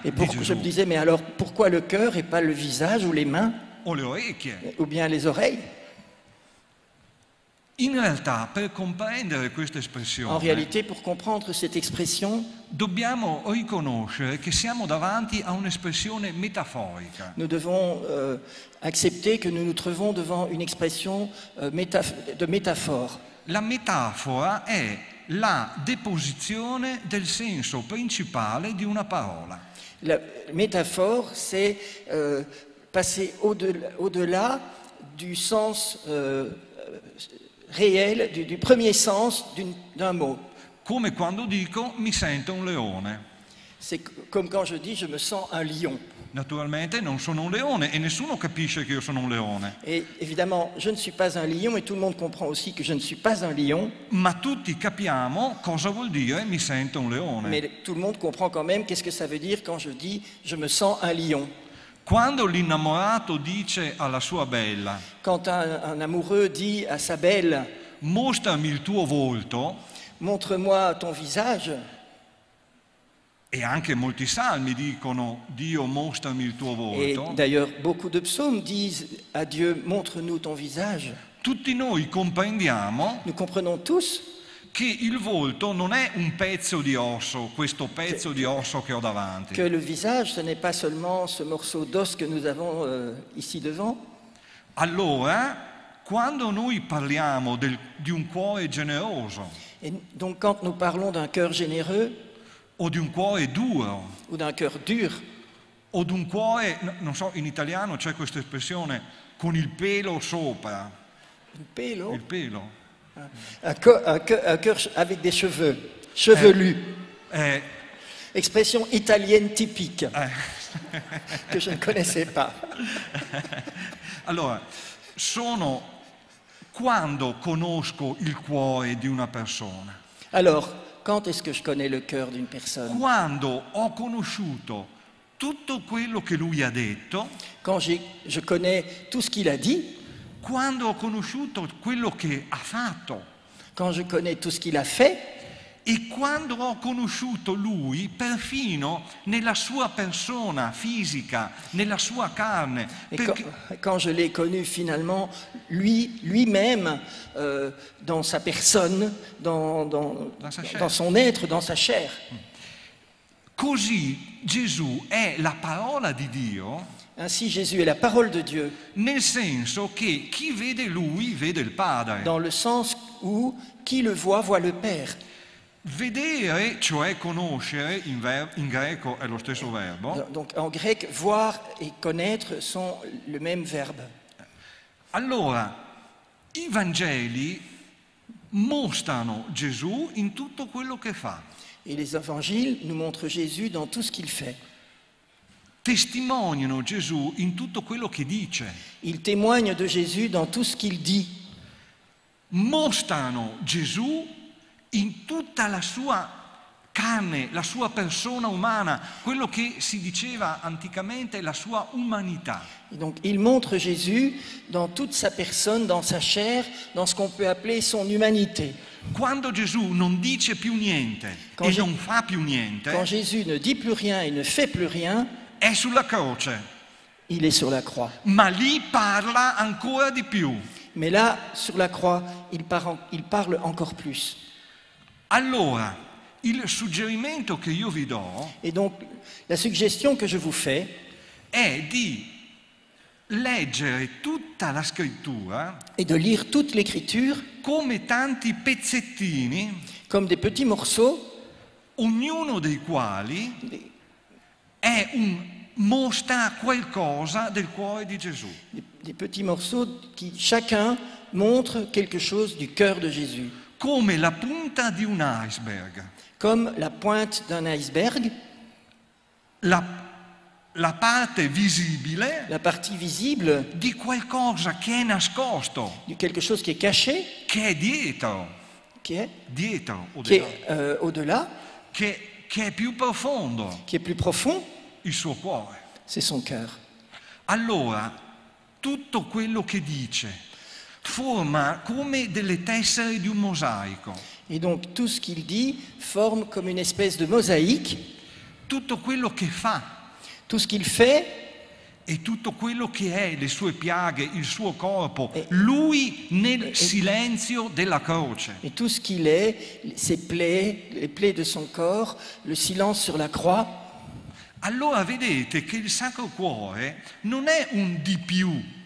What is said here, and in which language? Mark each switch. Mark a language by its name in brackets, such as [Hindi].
[French] E je me disais, mais alors pourquoi le cœur et pas le visage ou les mains? [Italian] O le orecchie? [French] Ou bien les oreilles? [Italian] In realtà, per comprendere questa espressione, [French] en réalité, pour comprendre cette expression, [Italian] dobbiamo riconoscere che siamo davanti a un'espressione metaforica. [French] Nous devons accepter que nous nous trouvons devant une expression de métaphore. [Italian] La metafora è la deposizione del senso principale di una parola. [French] La métaphore, c'est passer au-delà du sens réel, du premier sens d'un mot. [Italian] Come quando dico mi sento un leone. [French] C'est comme quand je dis je me sens un lion. [Italian] Naturalmente non sono un leone e nessuno capisce che io sono un leone. [French] Et évidemment, je ne suis pas un lion et tout le monde comprend aussi que je ne suis pas un lion. [Italian] Ma tutti capiamo cosa vuol dire mi sento un leone. [French] Mais tout le monde comprend quand même qu'est-ce que ça veut dire quand je dis je me sens un lion. [Italian] Quando l'innamorato dice alla sua bella. [French] Quand un amoureux dit à sa belle. [Italian] Mostrami il tuo volto. [French] Montre-moi ton visage. [Italian] E anche molti salmi dicono Dio mostrami il tuo volto. [French] Et d'ailleurs beaucoup de psaumes disent à Dieu montre-nous ton visage. [Italian] Tutti noi comprendiamo. [French] Nous comprenons tous. [Italian] Che il volto non è un pezzo di osso, questo pezzo di osso che ho davanti. [French] Que le visage ce n'est pas seulement ce morceau d'os que nous avons ici devant. [Italian] Allora, quando noi parliamo di un cuore generoso. [French] Et donc quand nous parlons d'un cœur généreux. [Italian] O d'un cuore duro. [French] Ou d'un cœur dur. [Italian] O d'un cuore, non so, in italiano c'è questa espressione, con il pelo sopra. Il pelo? Il pelo. [French] Un cœur avec des cheveux, chevelu. Expression italienne typique que je ne connaissais pas. [Italian] Allora, sono quando conosco il cuore di una persona. [French] Alors, quand est-ce que je connais le cœur d'une personne? [Italian] Quando ho conosciuto tutto quello che lui ha detto. [French] Quand je connais tout ce qu'il a dit. [Italian] Quando ho conosciuto quello che ha fatto. [French] Quand je connais tout ce qu'il a fait. [Italian] E quando ho conosciuto lui perfino nella sua persona fisica, nella sua carne. [French] Quand je l'ai connu finalement lui-même dans sa personne, dans son être, dans sa chair. [Italian] Così Gesù è la parola di Dio. [French] Ainsi Jésus est la parole de Dieu. [Italian] Nel senso che chi vede lui vede il Padre. [French] Dans le sens où qui le voit le Père. [Italian] Vedere, cioè conoscere, in greco è lo stesso verbo. [French] Donc en grec voir et connaître sont le même verbe. [Italian] Allora, i Vangeli mostrano Gesù in tutto quello che fa. [French] Et les évangiles nous montrent Jésus dans tout ce qu'il fait. [Italian] Testimoniano Gesù in tutto quello che dice. [French] Il témoigne de Jésus dans tout ce qu'il dit. [Italian] Mostrano Gesù in tutta la sua carne, la sua persona umana, quello che si diceva anticamente la sua umanità. [French] Et donc il montre Jésus dans toute sa personne, dans sa chair, dans ce qu'on peut appeler son humanité. [Italian] Quando Gesù non dice più niente [French] quand [Italian] e non fa più niente. [French] Quand Jésus ne dit plus rien et ne fait plus rien. [Italian] È sulla croce. [French] Il est sur la croix. [Italian] Ma lì parla ancora di più. [French] Mais là, sur la croix, il parle encore plus. [Italian] Allora, il suggerimento che io vi do. [French] Et donc, la suggestion que je vous fais est [Italian] di leggere tutta la scrittura. [French] Et de lire toute l'écriture. [Italian] Come tanti pezzettini. [French] Comme des petits morceaux. [Italian] Ognuno dei quali è un mostra qualcosa del cuore di Gesù. [French] Des petits morceaux qui chacun montre quelque chose du cœur de Jésus. [Italian] Come la punta di un iceberg. [French] Comme la pointe d'un iceberg. [Italian] La parte visibile. [French] La partie visible. [Italian] Di qualcosa che è nascosto. Di [French] quelque chose qui est caché. [Italian] Che è dietro. Che è dietro. Che è [French] au-delà. [Italian] Che è più profondo. Che è più profondo. Il suo cuore. [French] C'est son cœur. [Italian] Allora, tutto quello che dice forma come delle tessere di un mosaico. [French] Et donc tout ce qu'il dit forme comme une espèce de mosaïque. [Italian] Tutto quello che fa. [French] Tout ce qu'il fait. [Italian] E tutto quello che è, le sue piaghe, il suo corpo, lui nel silenzio della croce. [French] Et tout ce qu'il est, ses plaies, les plaies de son corps, le silence sur la croix. [Italian] Allora vedete che il Sacro Cuore non è un di più.